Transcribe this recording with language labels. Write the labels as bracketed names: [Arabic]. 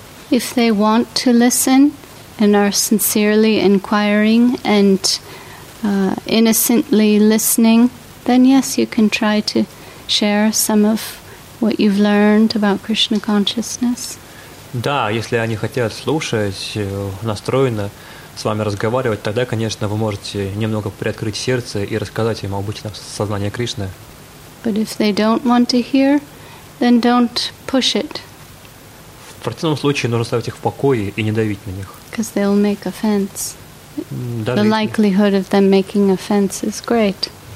[English] If they want to listen and are sincerely inquiring and innocently listening, then yes, you can try to share some of what you've learned about Krishna consciousness. [Russian] Да, если они хотят слушать настроенно, с вами разговаривать, тогда, конечно, вы можете немного приоткрыть сердце и рассказать им об обычном сознании Кришны. [English] But if they don't want to hear, then don't push it. [Russian] В противном случае нужно ставить их в покое и не давить на них. [English] Because they'll make offense. The likelihood of them making offense is great.